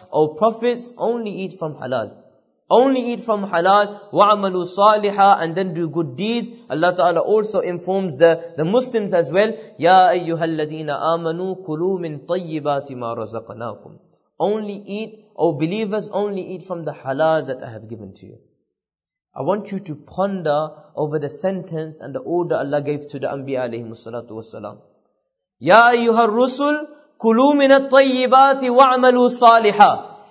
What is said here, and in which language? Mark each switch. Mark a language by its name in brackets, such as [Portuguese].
[English] O prophets, only eat from halal. Only eat from halal, [Arabic] وَعْمَلُوا صَالِحًا, [English] and then do good deeds. Allah Ta'ala also informs the Muslims as well, [Arabic] يَا أَيُّهَا الَّذِينَ آمَنُوا كُلُوا مِنْ طَيِّبَاتِ مَا رَزَقَنَاكُمْ. [English] Only eat, O believers, only eat from the halal that I have given to you. I want you to ponder over the sentence and the order Allah gave to the Anbiya alayhimu salatu wasalam. [Arabic] Ya ayyuha rusul, kulu min at-tayyibati wa'amalu saliha.